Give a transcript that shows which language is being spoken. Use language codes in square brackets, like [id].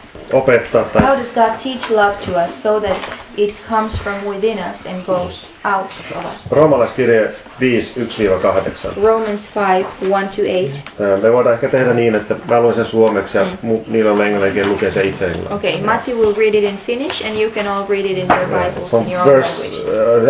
[en] How does God teach love to us so that it comes from within us and goes out of us? [fi] Roomalaiskirje 5:1-8. [en] Romans 5:1-8. [fi] Me voidaan ehkä tehdä niin, että mä luen sen suomeksi ja niillä on englanninkin lukee se itse. [en] Okay, Matti will read it in Finnish and you can all read it in your Bibles in your own language.